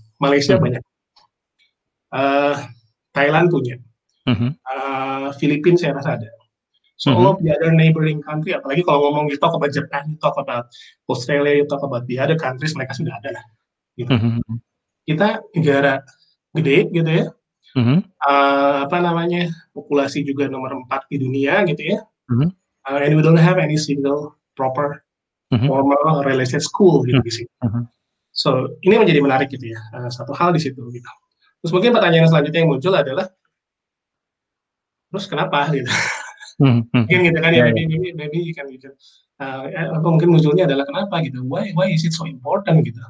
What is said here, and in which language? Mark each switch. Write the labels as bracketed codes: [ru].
[id] Malaysia mm-hmm. banyak. Thailand punya. Mm-hmm. Filipina saya rasa ada. [en] So mm-hmm. all of the other neighboring country, [id] apalagi kalau ngomong [en] you talk about Japan, you talk about Australia, you talk about the other countries, [id] mereka sudah ada lah. Gitu. Mm-hmm. Kita negara gede gitu ya. Mm-hmm. Apa namanya, populasi juga nomor 4 di dunia gitu ya. Mm-hmm. [en] And we don't have any single proper mm-hmm. formal real estate school gitu mm-hmm. [id] di sini. Mm-hmm. So ini menjadi menarik gitu ya, satu hal di situ gitu. Terus mungkin pertanyaan selanjutnya yang muncul adalah, terus kenapa gitu? Mm-hmm. Mungkin gitu kan ya, [en] yeah, maybe you can [id] gitu. Apa mungkin munculnya adalah kenapa gitu? [en] Why is it so important gitu?